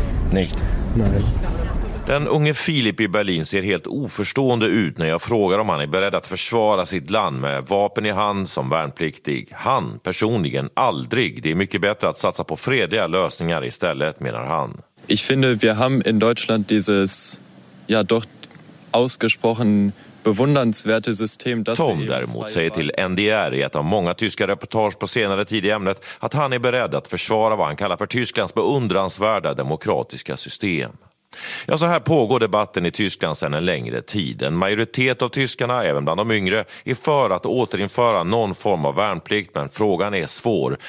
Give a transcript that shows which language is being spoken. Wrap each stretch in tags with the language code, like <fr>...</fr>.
<de>Nicht? Nein.</de> <sv>Den unge Filip i Berlin ser helt oförstående ut när jag frågar om han är beredd att försvara sitt land med vapen i hand som värnpliktig. Han personligen aldrig. Det är mycket bättre att satsa på fredliga lösningar istället, menar han.</sv> <de>Ich finde, wir haben in Deutschland dieses ja doch ausgesprochen bewundernswerte System,</de> <sv>das Tom däremot säger till NDR i ett av många tyska reportage på senare tid i ämnet att han är beredd att försvara vad han kallar för Tysklands beundransvärda demokratiska system. Ja, så här pågår debatten i Tyskland sedan en längre tid. En majoritet av tyskarna, även bland de yngre, är för att återinföra någon form av värnplikt, men frågan är svår.</sv>